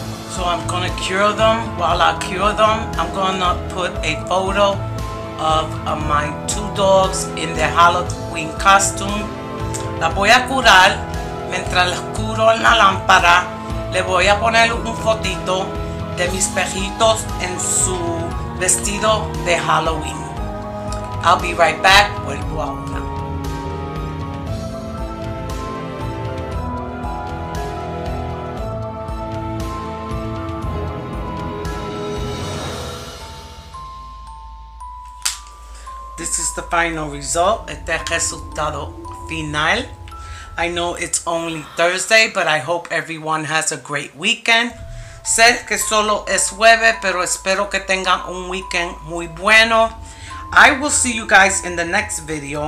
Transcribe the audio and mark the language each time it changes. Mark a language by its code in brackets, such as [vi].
[en] So I'm gonna cure them. While I cure them, I'm gonna put a photo of my two dogs in their Halloween costume. [es] La voy a curar. Mientras les curo en la lámpara, le voy a poner un fotito de mis perritos en su vestido de Halloween. [en] I'll be right back. [es] Vuelvo ahora. [en] This is the final result. [es] Este es el resultado final. [en] I know it's only Thursday, but I hope everyone has a great weekend. [es] Sé que solo es jueves, pero espero que tengan un weekend muy bueno. [en] I will see you guys in the next video.